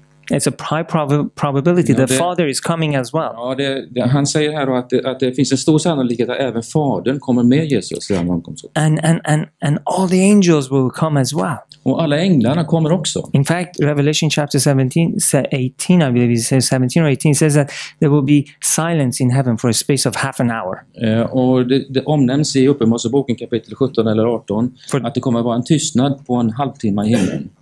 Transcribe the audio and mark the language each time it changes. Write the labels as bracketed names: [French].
[English] It's a high probability that the Father is coming as well. [Swedish] Ja, det, han säger här att det finns en stor sannolikhet att även Fadern kommer med Jesus när han kommer. [English] And all the angels will come as well. [Swedish] Och alla änglarna kommer också. [English] In fact, Revelation chapter 17, 18, I believe it says 17 or 18 says that there will be silence in heaven for a space of half an hour. [Swedish] Och det omnämns i Uppenbarelseboken kapitel 17 eller 18 att det kommer vara en tystnad på en halvtimme i himlen.